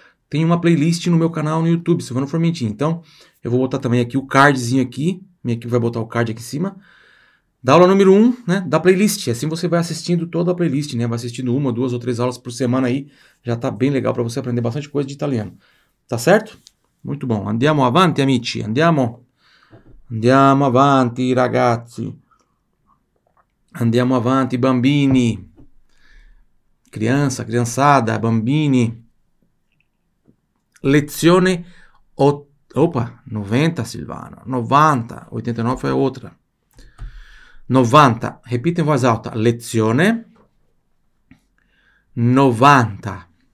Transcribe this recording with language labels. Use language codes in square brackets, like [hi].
[pt] Tem uma playlist no meu canal no YouTube, Silvano Formentini. Então, eu vou botar também aqui o cardzinho aqui. Minha equipe vai botar o card aqui em cima. Da aula número 1, né? Da playlist. Assim você vai assistindo toda a playlist, né? Vai assistindo uma, duas ou três aulas por semana aí. Já tá bem legal para você aprender bastante coisa de italiano. Tá certo? Muito bom. [it] Andiamo avanti, amici. Andiamo. Andiamo avanti, ragazzi. Andiamo avanti, bambini. [pt] Criança, criançada, bambini. [it] Lezione 90, Silvano. 90. [pt] 89 foi outra. 90. Repita em voz alta. [it] Lezione 90.